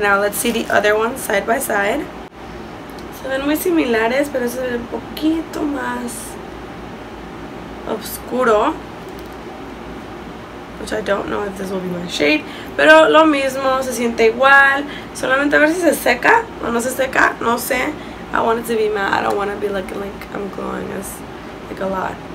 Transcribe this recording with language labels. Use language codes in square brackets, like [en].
[en] Now let's see the other one side by side. [es] Se ven muy similares, pero se ve un poquito más oscuro. [en] Which I don't know if this will be my shade. [es] Pero lo mismo, se siente igual. Solamente a ver si se seca o no se seca, no sé. [en] I want it to be matte, I don't want to be looking like I'm glowing as like a lot.